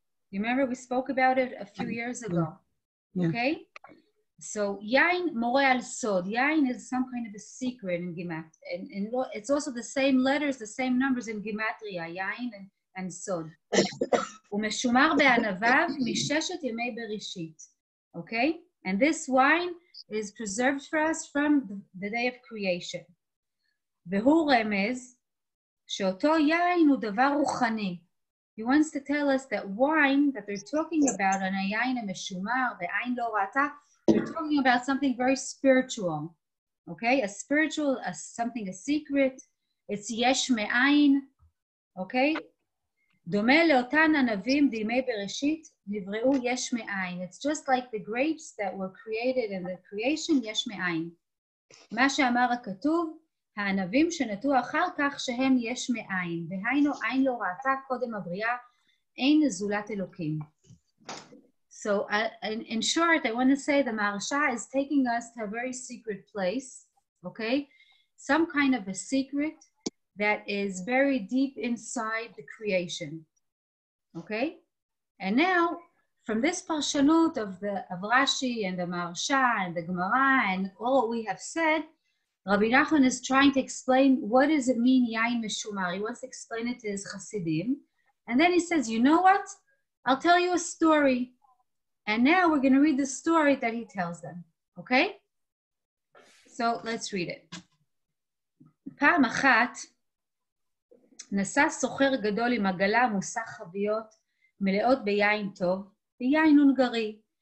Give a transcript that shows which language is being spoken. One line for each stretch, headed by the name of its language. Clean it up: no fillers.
English: You remember we spoke about it a few years ago. Yeah. Okay? So yain more al sod. Yain is some kind of a secret in gimat. And it's also the same letters, the same numbers in gimatria, yain and sod.
Hebrew: ומשומר בענביו מששת ימי בראשית.
English: Okay? And this wine is preserved for us from the day of creation.
Hebrew: והוא רמז שאותו יין הוא דבר רוחני.
English: He wants to tell us that wine that they're talking about, an
Hebrew: היין המשומר, ועין לא ראתה,
English: they're talking about something very spiritual. Okay? A spiritual, something a secret. It's
Hebrew: יש מאין.
English: Okay?
Hebrew: דומה לאותן ענבים דימי בראשית, נבראו יש מאין.
English: It's just like the grapes that were created in the creation,
Hebrew: יש מאין. מה שאמר הכתוב, הענבים שנטו אחר כך שהם יש מאין, והיינו עין לא ראתה קודם הבריאה, אין זולת אלוקים.
English: So in short, I want to say the Maharsha is taking us to a very secret place, okay? Some kind of a secret that is buried deep inside the creation, okay? And now, from this parshanut of the Avrashi and the Maharsha and the Gemara and all we have said, Rabbi Nachman is trying to explain what does it mean, Yain Meshumar. He wants to explain it to his Hasidim. And then he says, you know what? I'll tell you a story. And now we're going to read the story that he tells them. Okay? So let's read it.
Hebrew: פעם אחת, נסע סוחר גדול עם עגלה מוסך חביות מלאות ביין טוב, ביין הונגרי.